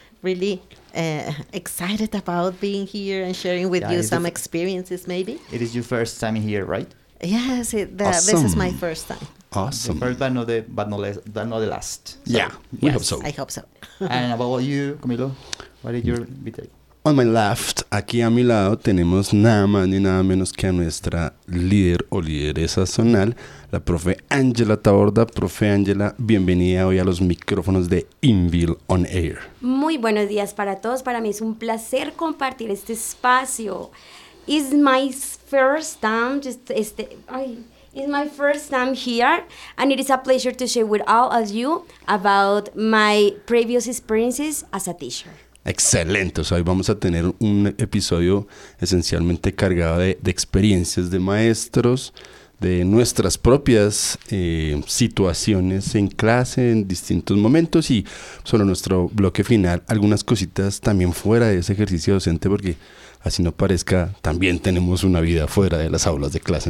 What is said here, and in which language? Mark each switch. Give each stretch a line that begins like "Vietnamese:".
English: Really excited about being here and sharing with you some experiences, maybe. It is your first time here, right? Yes, this is my first time. Awesome. The first, but not the last. So, yeah, we hope so. I hope so. And about you, Camilo, what is your invitation? On my left,
Spanish: aquí a mi lado, tenemos nada más ni nada menos que a nuestra líder o lideresa zonal, la profe Ángela Taborda. Profe Ángela, bienvenida hoy a los micrófonos de Inville on Air. Muy buenos días para todos. Para mí es un placer compartir este espacio.
English: It's my first time, it's my first time here, and it is a pleasure to share with all of you about my previous experiences as a teacher.
Spanish: Excelente, o sea, hoy vamos a tener un episodio esencialmente cargado de experiencias de maestros, de nuestras propias situaciones en clase, en distintos momentos, y sobre nuestro bloque final, algunas cositas también fuera de ese ejercicio docente, porque así no parezca, también tenemos una vida fuera de las aulas de clase.